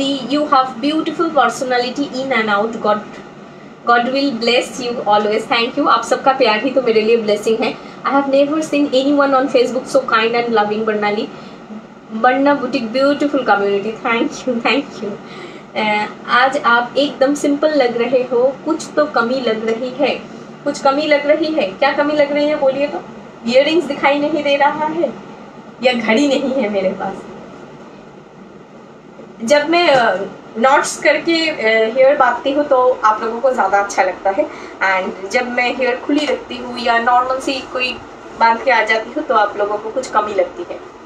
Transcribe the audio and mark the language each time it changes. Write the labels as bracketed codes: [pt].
[en] You have beautiful personality in and out. God will bless you always. Thank you. [hi] आप सबका प्यार ही तो मेरे लिए blessing है. [en] I have never seen anyone on Facebook so kind and loving. Barna Boutique beautiful community. Thank you. [hi] आज आप एकदम सिंपल लग रहे हो, कुछ तो कमी लग रही है, कुछ कमी लग रही है, क्या कमी लग रही है बोलिए तो। इयररिंग्स दिखाई नहीं दे रहा है या घड़ी नहीं है मेरे पास। जब मैं नॉट्स करके हेयर बांधती हूँ तो आप लोगों को ज़्यादा अच्छा लगता है, एंड जब मैं हेयर खुली रखती हूँ या नॉर्मल सी कोई बांध के आ जाती हूँ तो आप लोगों को कुछ कमी लगती है।